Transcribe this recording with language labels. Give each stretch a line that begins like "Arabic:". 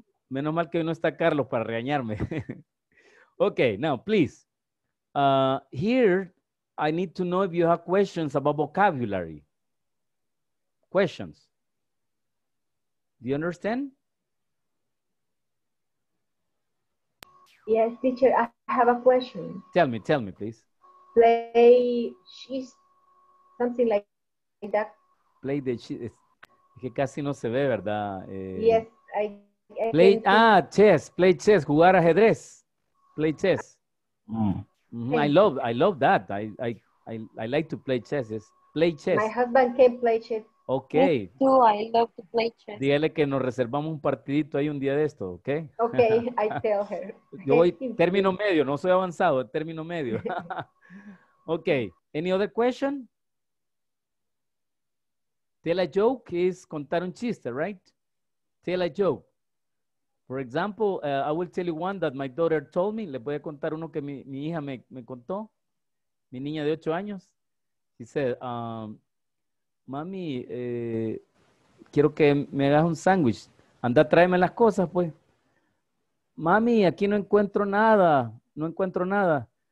Spanish: Menos mal que no está Carlos para regañarme.
English: Okay, now, please. Here, I need to know if you have questions about vocabulary. Questions. Do you understand? Yes, teacher, I have a question. Tell me, please. Play, she's... Something like that. Play the chess.
Spanish: Que casi no se ve, ¿verdad?
English: Yes. I play, chess. Play chess.
Spanish: Jugar ajedrez.
English: Play chess. I love that. I like to play chess. Yes. Play chess. My husband can play chess. Okay. Me too. I love to play chess.
Spanish: Dígale que nos reservamos un partidito ahí un día de esto, ¿ok?
English: Okay, I tell her.
Spanish: Yo voy término medio. No soy avanzado. Término medio. Okay.
English: Any other question? Tell a joke is
Spanish: contar un chiste,
English: right? Tell a joke. For example, I will tell you one that my daughter told me.
Spanish: Le voy a contar uno que mi hija me contó. Mi niña de 8 años.
English: She said,
Spanish: mami, quiero que me hagas un sándwich. Anda, tráeme las cosas, pues. Mami, aquí no encuentro nada. No encuentro nada.